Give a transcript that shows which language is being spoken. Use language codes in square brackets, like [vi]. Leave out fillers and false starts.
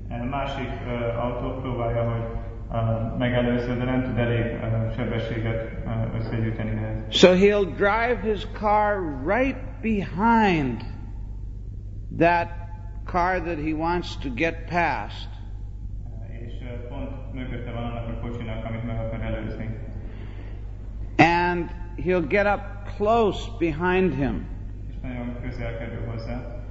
[hu] Másik autó próbálja, hogy megelőzze, de nem tud elég sebességet összegyűjteni. [en] So he'll drive his car right behind that car that he wants to get past. [hu] És pont mögötte van annak a kocsinak, amit meg akar előzni. [en] And he'll get up close behind him. [hu] És nagyon közel kerül hozzá.